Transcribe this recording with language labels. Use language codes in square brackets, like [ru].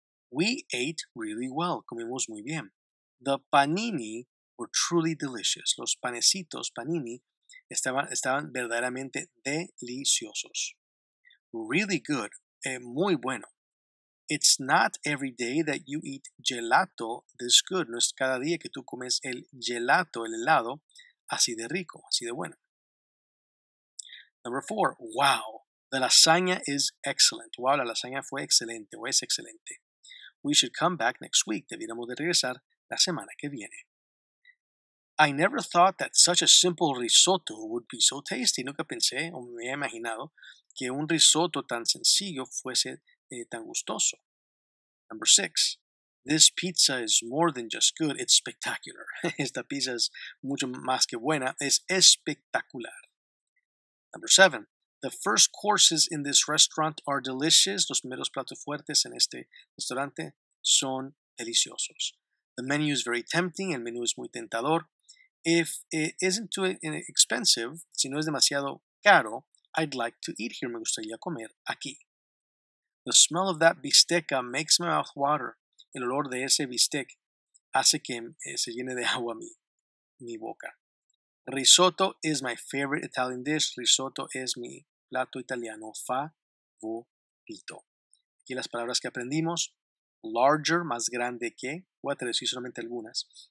[en] We ate really well. [es] Comimos muy bien. [en] The panini were truly delicious. [es] Los panecitos, panini, estaban verdaderamente deliciosos. [en] Really good. [es] Muy bueno. [en] It's not every day that you eat gelato this good. [es] No es cada día que tú comes el gelato, el helado, así de rico, así de bueno. [en] Number 4. Wow. The lasagna is excellent. [es] Wow, la lasagna fue excelente o es excelente. [en] We should come back next week. [es] Debiéramos de regresar la semana que viene. [en] I never thought that such a simple risotto would be so tasty. [es] Nunca pensé o me había imaginado que un risotto tan sencillo fuese tan gustoso. [en] Number 6. This pizza is more than just good. It's spectacular. [es] Esta pizza es mucho más que buena. Es espectacular. [en] Number 7. The first courses in this restaurant are delicious. [es] Los primeros platos fuertes en este restaurante son deliciosos. [en] The menu is very tempting. [es] El menú es muy tentador. [en] If it isn't too expensive, [es] si no es demasiado caro, [en] I'd like to eat here. [es] Me gustaría comer aquí. [en] The smell of that bistec makes my mouth water. [es] El olor de ese bistec hace que se llene de agua mi boca. [en] Risotto is my favorite Italian dish. [es] Risotto es mi plato italiano favorito. Aquí las palabras que aprendimos. Larger, más grande que, voy a traducir solamente algunas.